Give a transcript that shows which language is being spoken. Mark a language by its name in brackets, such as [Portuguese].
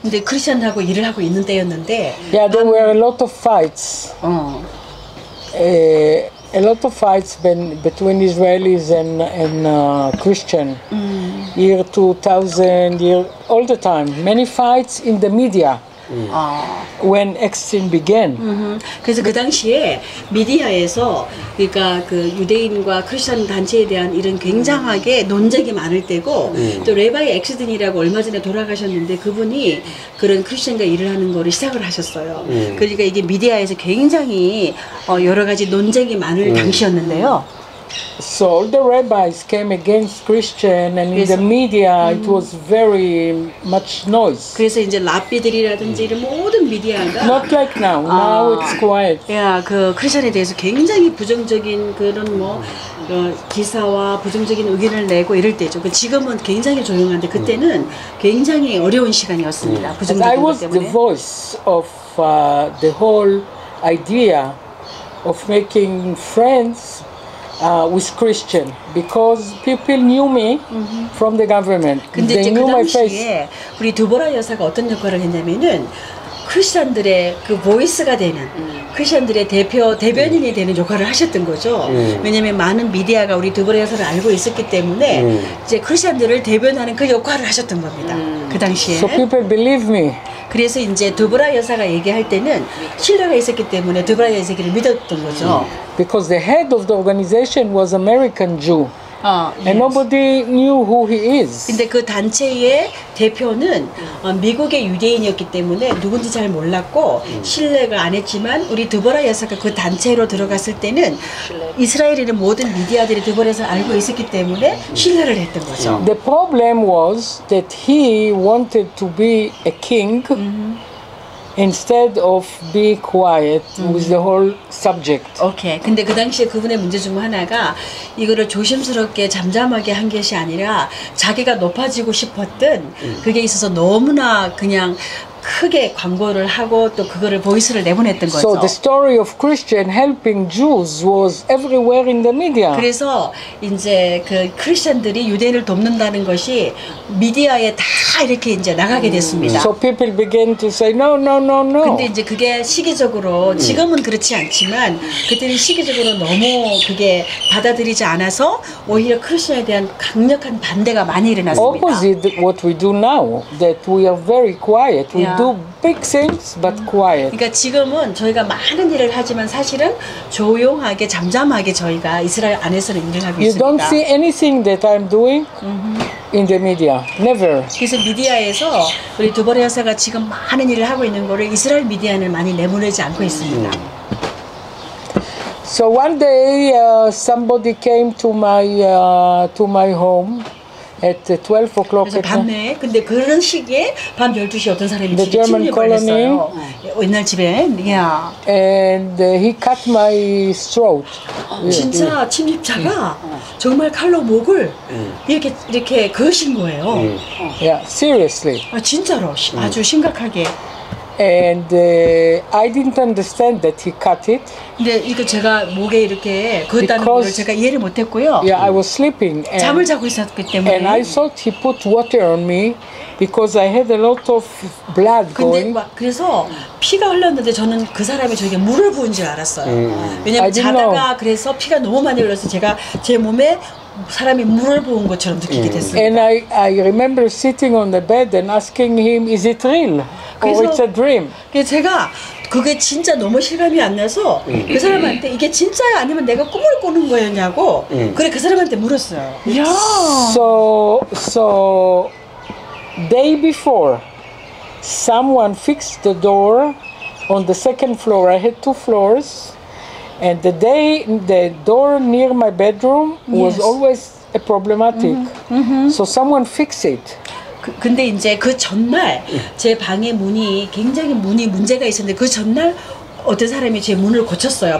[Korean] 근데 크리스천하고 일을 하고 있는 때였는데. [English] Yeah, there were a lot of fights. A lot of fights between Israelis and Christian. Year 2000, year all the time. Many fights in the media. When Eckstein began. [Korean] 그래서 그 당시에 미디어에서 그러니까 그 유대인과 크리스천 단체에 대한 이런 굉장하게 논쟁이 많을 때고 또 레바이 엑스틴이라고 얼마 전에 돌아가셨는데 그분이 그런 크리스천과 일을 하는 거를 시작을 하셨어요. 그러니까 이게 미디어에서 굉장히 여러 가지 논쟁이 많을 당시였는데요. [English] So all the rabbis came against Christian and in the media it was very much noise. [Korean] 그래서 이제 랍비들이라든지 이런 모든 미디어가 [English] Not like now. Now it's quiet. [Korean] 야, 그 크리스천에 대해서 굉장히 부정적인 그런 뭐 기사와 부정적인 의견을 내고 이럴 때죠. 그 지금은 굉장히 조용한데 그때는 굉장히 어려운 시간이었습니다. 부정적인 것 때문에. [English] I was the voice of the whole idea of making friends with Christian because people knew me from the government. They knew 그 my face. [Korean] 근데 그 당시에 우리 두보라 여사가 어떤 역할을 했냐면은 크리스천들의 그 보이스가 되는 크리스천들의 대표 대변인이 되는 역할을 하셨던 거죠. 왜냐면 많은 미디어가 우리 두보라 여사를 알고 있었기 때문에 이제 크리스천들을 대변하는 그 역할을 하셨던 겁니다. 그 당시에. [English] So people believe me. [Korean] 그래서 이제 두보라 여사가 얘기할 때는 신뢰가 있었기 때문에 두보라 여사를 믿었던 거죠. [English] Because the head of the organization was American Jew. And nobody knew who he is. [Korean] 근데 그 단체의 대표는 미국의 유대인이었기 때문에 누군지 잘 몰랐고 신뢰가 안 했지만 우리 드보라 여사가 그 단체로 들어갔을 때는 이스라엘에는 모든 미디어들이 드보라에서 알고 있었기 때문에 신뢰를 했던 거죠. [English] The problem was that he wanted to be a king instead of be quiet with the whole subject. Okay. [Korean] 근데 그 당시에 그분의 문제 중 하나가 이거를 조심스럽게 잠잠하게 한 것이 아니라 자기가 높아지고 싶었던 그게 있어서 너무나 그냥 크게 광고를 하고 또 그거를 보이스를 내보냈던 거죠. [English] So the story of Christian helping Jews was everywhere in the media. [Korean] 그래서 이제 그 크리스천들이 유대인을 돕는다는 것이 미디어에 다 이렇게 이제 나가게 됐습니다. [English] So people began to say no, no, no, no. [Korean] 근데 이제 그게 시기적으로 지금은 그렇지 않지만 그때는 시기적으로 너무 그게 받아들이지 않아서 오히려 크리스천에 대한 강력한 반대가 많이 일어났습니다. [English] Opposite what we do now, that we are very quiet. We do big things, but quiet. [Korean] 그러니까 지금은 저희가 많은 일을 하지만 사실은 조용하게 잠잠하게 저희가 이스라엘 안에서는 일을 하고 있습니다. [English] You don't see anything that I'm doing in the media. Never. [Korean] 그래서 미디어에서 우리 두보라 여사가 지금 많은 일을 하고 있는 거를 이스라엘 미디어는 많이 내보내지 않고 있습니다. [English] So one day somebody came to my home. at 12 o'clock. [Korean] 밤에 근데 그런 시기에 밤 12시 어떤 사람이 집에 침입을 [English] colony. [Korean] 했어요. 옛날 집에. Yeah. [English] And he cut my throat. [Korean] 진짜 침입자가 정말 칼로 목을 이렇게 그으신 거예요. [English] Yeah, seriously. [Korean] 아, 진짜로 아주 심각하게. [English] And I didn't understand that he cut it. [Korean] 근데 이거 제가 목에 이렇게 그었다는 걸 제가 이해를 못했고요. [English] Yeah, I was sleeping. [Korean] 잠을 자고 있었기 때문에. [English] And I thought he put water on me because I had a lot of blood going. [Korean] 근데 그래서 피가 흘렀는데 저는 그 사람이 저에게 물을 부은 줄 알았어요. 왜냐하면 자다가 그래서 피가 너무 많이 흘러서 제가 제 몸에 사람이 물을 부은 것처럼 느끼게 됐습니다. [English] And I remember sitting on the bed and asking him, is it real? Or it's a dream? [Korean] 제가 그게 진짜 너무 실감이 안 나서 그 사람한테 이게 진짜야 아니면 내가 꿈을 꾸는 거였냐고 그래 그 사람한테 물었어요. [English] Yeah. So day before someone fixed the door on the second floor. I had two floors. And the door near my bedroom was always a problematic. Mm-hmm. Mm-hmm. So someone fixed it. [Korean] 근데 이제 그 전날 제 방의 문이 굉장히 문이 문제가 있었는데 그 전날 어떤 사람이 제 문을 고쳤어요.